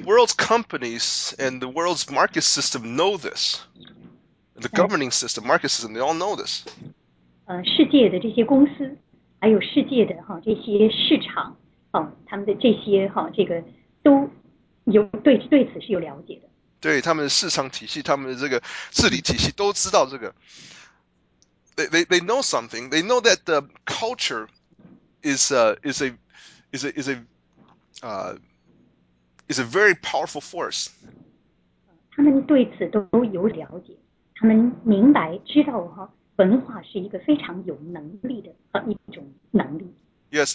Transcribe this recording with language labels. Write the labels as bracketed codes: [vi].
[en] world's companies and the world's market system know this. The governing system, market system, they all know this. [zh] 世界的这些公司，还有世界的这些市场，他们的这些都对此是有了解的。对他们的市场体系，他们的这个治理体系都知道这个。 [en] They know something. They know that the culture is a very powerful force. [zh] 他们对此都有了解，他们明白知道文化是一个非常有能力的一种能力。 [en] Yes,